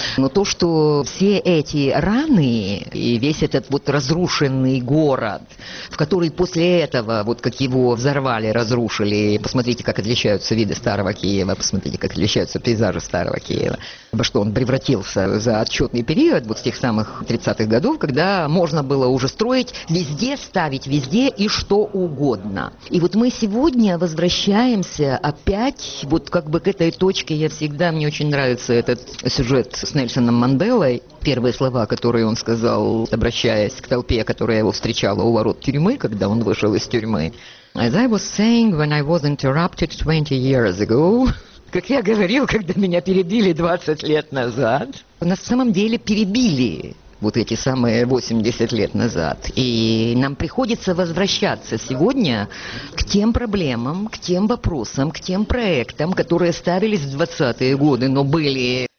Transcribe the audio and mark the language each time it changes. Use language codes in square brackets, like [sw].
[ru] Но то, что все эти раны и весь этот вот разрушенный город, в который после этого, вот как его взорвали, разрушили, посмотрите, как отличаются виды старого Киева, посмотрите, как отличаются пейзажи старого Киева, во что он превратился за отчетный период, вот с тех самых 30-х годов, когда можно было уже строить везде, ставить везде и что угодно. И вот мы сегодня возвращаемся опять вот как бы к этой точке. Я всегда, мне очень нравится этот сюжет с Нельсоном Манделой. Первые слова, которые он сказал, обращаясь к толпе, которая его встречала у ворот тюрьмы, когда он вышел из тюрьмы. [en] As I was saying when I was interrupted 20 years ago... [ru] Как я говорил, когда меня перебили 20 лет назад. На самом деле перебили вот эти самые 80 лет назад. И нам приходится возвращаться сегодня к тем проблемам, к тем вопросам, к тем проектам, которые ставились в 20-е годы, но были